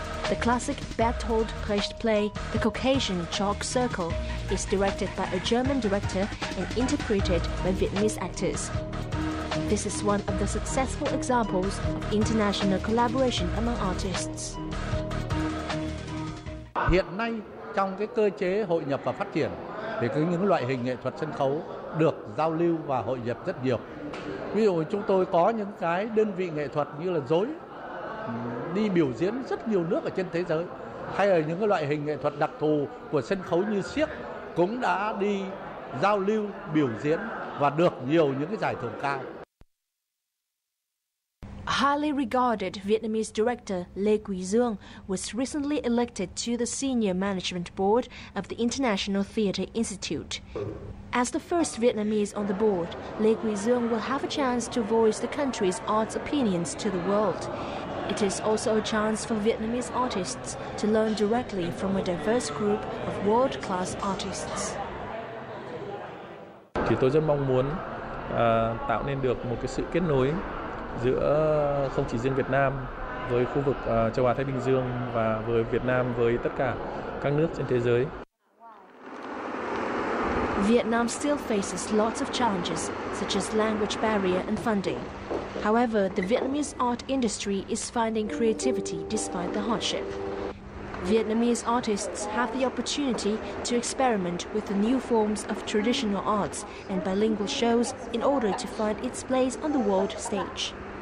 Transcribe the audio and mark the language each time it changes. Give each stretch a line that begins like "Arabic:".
English: The classic Bertolt Brecht play, The Caucasian Chalk Circle, is directed by a German director and interpreted by Vietnamese actors. This is one of the successful examples of international collaboration among artists.
Vietnamese: Hiện nay trong cái cơ chế hội nhập và phát triển thì cái những loại hình nghệ thuật sân khấu được giao lưu và hội nhập rất nhiều. Ví dụ chúng tôi có những cái đơn vị nghệ thuật như là rối đi biểu diễn rất nhiều nước ở trên thế giới, hay là những cái loại hình nghệ thuật đặc thù của sân khấu như xiếc cũng đã đi giao lưu biểu diễn và được nhiều những cái giải thưởng cao.
English: Highly regarded Vietnamese director Lê Quý Dương was recently elected to the Senior Management Board of the International Theatre Institute. As the first Vietnamese on the board, Lê Quý Dương will have a chance to voice the country's arts opinions to the world. It is also a chance for Vietnamese artists to learn directly from a diverse group of world-class artists.
Vietnamese: Thì tôi rất mong muốn tạo nên được một cái sự kết nối giữa không chỉ riêng Việt Nam với khu vực châu Á Thái Bình Dương và với Việt Nam với tất cả các nước trên thế giới.
English: Vietnam still faces lots of challenges such as language barrier and funding. However, the Vietnamese art industry is finding creativity despite the hardship. Vietnamese artists have the opportunity to experiment with the new forms of traditional arts and bilingual shows in order to find its place on the world stage.